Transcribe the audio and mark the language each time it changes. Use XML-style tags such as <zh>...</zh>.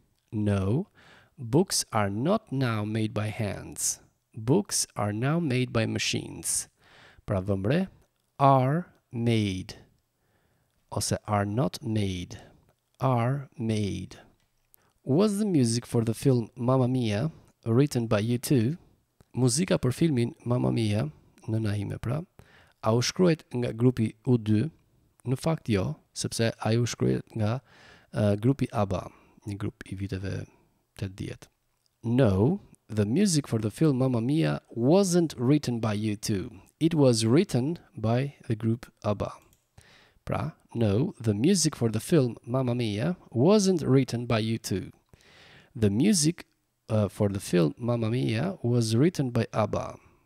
<en>No, books are not now made by hands. Books are now made by machines.</en> <sq>Pra vëmre,</sq> <en>are made. Ose are not made. Are made. Was the music for the film Mamma Mia written by you too?</en> <sq>Muzika për filmin Mamma Mia, nëna ime pra, a u shkruajt nga grupi U2? Në fakt jo, sepse a u shkruajt nga grupi ABBA, një grup i viteve 80.</sq> <en>No, the music for the film Mamma Mia wasn't written by you too. It was written by the group ABBA. Pra, no, the music for the film Mamma Mia wasn't written by you too. The music for the film Mamma Mia was written by ABBA.</en>